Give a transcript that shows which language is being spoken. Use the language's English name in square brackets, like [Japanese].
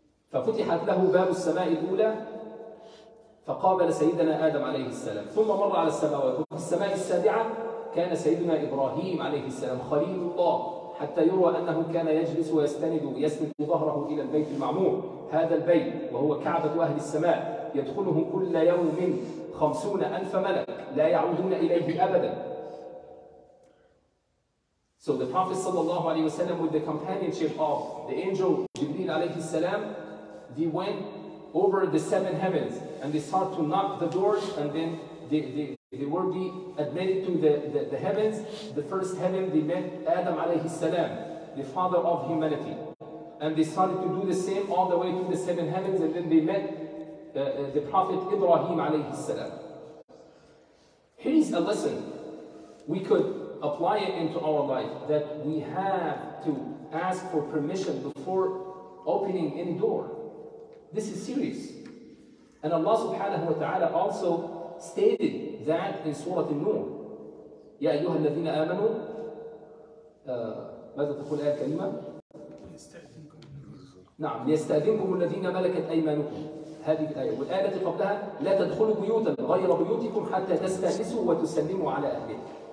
[Arabic] ففتحت له باب السماء الأولى فقابل سيدنا آدم عليه السلام، ثم مر على السماوات، وفي السماء السابعة كان سيدنا إبراهيم عليه السلام خليل الله، حتى يروى أنه كان يجلس ويسند ظهره إلى البيت المعمور، هذا البيت وهو كعبة أهل السماء، يدخله كل يوم 50,000 ملك لا يعودون إليه أبدا. [English] So the Prophet صلى الله عليه وسلم with the companionship of the angel Jibreel عليه السلام they went over the seven heavens and they start to knock the doors, and then they will be admitted to the heavens. The first heaven, they met Adam alayhi salam, the father of humanity. And they started to do the same all the way to the seven heavens, and then they met the Prophet Ibrahim alayhi salam. Here's a lesson we could apply it into our life, that we have to ask for permission before opening any door. This is serious. And Allah subhanahu wa ta'ala also stated that in Surah An-Nur. [Arabic] Ya ayyuha alladhina amanu, ماذا تقول آية كريمة؟ نعم، يستأذنكم الذين ملكت أيمانكم. هذه الآية، والآية التي قبلها لا تدخلوا بيوتا غير بيوتكم حتى تستأنسوا وتسلموا على أهلها.